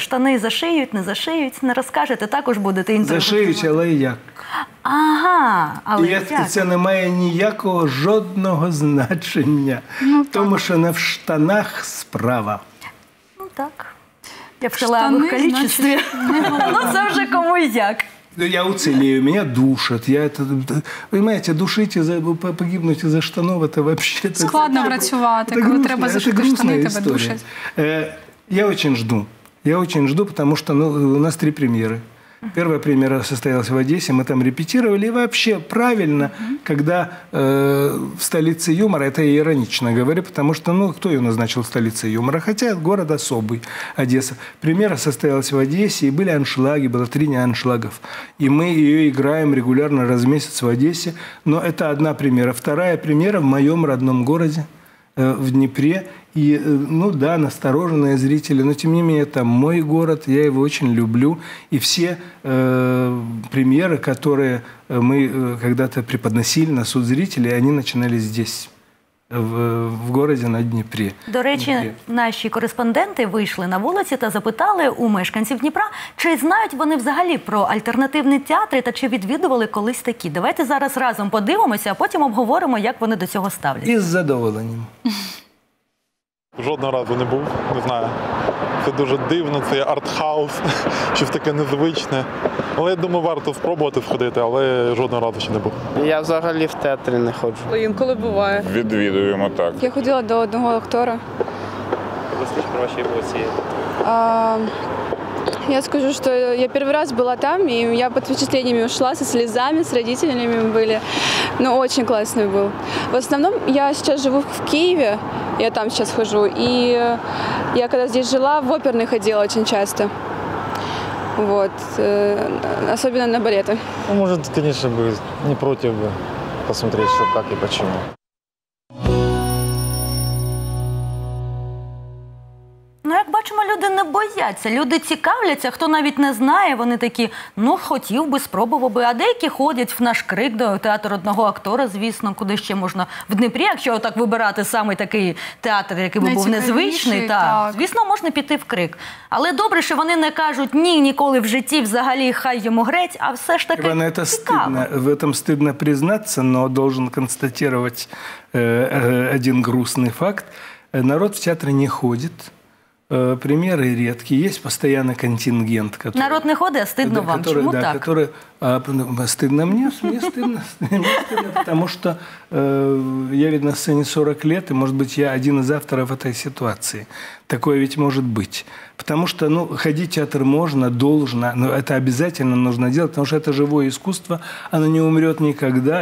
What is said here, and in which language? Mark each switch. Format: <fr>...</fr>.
<uk>Штани зашиють, не зашиють, не розкажете. Також будете інтригу. Зашиють, але як? Ага, але і як? І це не має ніякого жодного значення. Ну, тому що не в штанах справа. Ну так. Я в шалевому количестві. Ну це вже кому і як. Я уцелею, мене душать.</uk> <ru>Я это, понимаете, душить і погибнуть за штанов, это вообще...</ru> <uk>Складно працювати, коли грустно, треба зашити штани, тебе душать.</uk> <ru>Я очень жду. Я очень жду, потому что ну, у нас три премьеры. Первая премьера состоялась в Одессе, мы там репетировали. И вообще правильно, когда в столице юмора, это я иронично говорю, потому что, ну, кто ее назначил в столице юмора? Хотя город особый, Одесса. Премьера состоялась в Одессе, и были аншлаги, было три аншлагов. И мы ее играем регулярно раз в месяц в Одессе. Но это одна премьера. Вторая премьера в моем родном городе, в Днепре. И, ну да, настороженные зрители, но тем не менее, это мой город, я его очень люблю. И все премьеры, которые мы когда-то преподносили на суд зрителей, они начинались здесь.</ru> <uk>В городі на Дніпрі. До речі, Дніпрі. Наші кореспонденти вийшли на вулиці та запитали у мешканців Дніпра, чи знають вони взагалі про альтернативні театри та чи відвідували колись такі. Давайте зараз разом подивимося, а потім обговоримо, як вони до цього ставляться. Із задоволенням. Жодного разу не був, не знаю. Це дуже дивно, це арт-хаус, щось таке незвичне. Але, я думаю, варто спробувати сходити, але жодного разу ще не був. Я взагалі в театрі не ходжу. Інколи буває. Відвідуємо, так. Я ходила до одного актора. Розкажи про ваші емоції.</uk> <ru>Я скажу, что я первый раз была там, и я под впечатлениями ушла, со слезами, с родителями были. Ну, очень классный был. В основном я сейчас живу в Киеве, я там сейчас хожу, и я когда здесь жила, в оперный ходила очень часто. Вот. Особенно на балеты. Ну, может, конечно, бы не против бы посмотреть, что как и почему.</ru> <uk>Бачимо, люди не бояться, люди цікавляться, хто навіть не знає, вони такі, ну, хотів би, спробував би. А деякі ходять в наш Крик до театру одного актора, звісно, куди ще можна в Дніпрі, якщо так вибирати саме такий театр, який би був незвичний. Так. Звісно, можна піти в Крик. Але добре, що вони не кажуть ні, ніколи в житті, взагалі, хай йому греть, а все ж таки цікаво. Іване, це стидно, в цьому стидно признатися, але должен констатувати один грустний факт.</uk> <ru>Народ в театр не ходить. Примеры редкие. Есть постоянный контингент. Который, народ не ходит, а стыдно вам. Который, чему да, так? Который, стыдно мне? Мне стыдно. Потому что я ведь на сцене 40 лет, и, может быть, я один из авторов этой ситуации. Такое ведь может быть. Потому что ну, ходить в театр можно, должно, но это обязательно нужно делать, потому что это живое искусство, оно не умрет никогда.</ru>